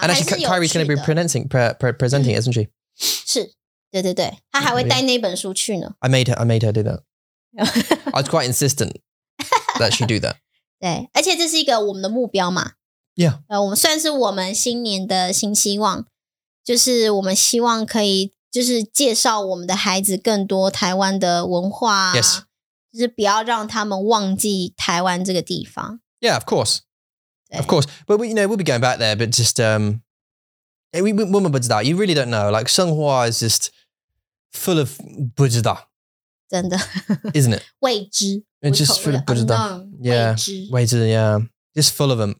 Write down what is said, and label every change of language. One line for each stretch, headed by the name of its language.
English: and actually, Kyrie's going to be presenting, isn't she?
Chinese: 是,对对对, 她还会带那本书去呢。
English: I made her do that. I was quite insistent that she do that.
Chinese: 对,而且这是一个我们的目标嘛。
English: Yeah.
Chinese: 我们算是我们新年的新希望。就是我们希望可以就是介绍我们的孩子更多台湾的文化。
English: Yes.
Chinese: 就是不要让他们忘记台湾这个地方。
English: Yeah, of course. Of course. But, you know, we'll be going back there, but just, we won't be that. You really don't know. Like, 生活 is just full of
Chinese: 不知道。真的。
English: Isn't it?
Chinese: 未知。
English: It's just full of 不知道。Yeah.
Chinese: 未知。未知,
English: yeah. Just full of them.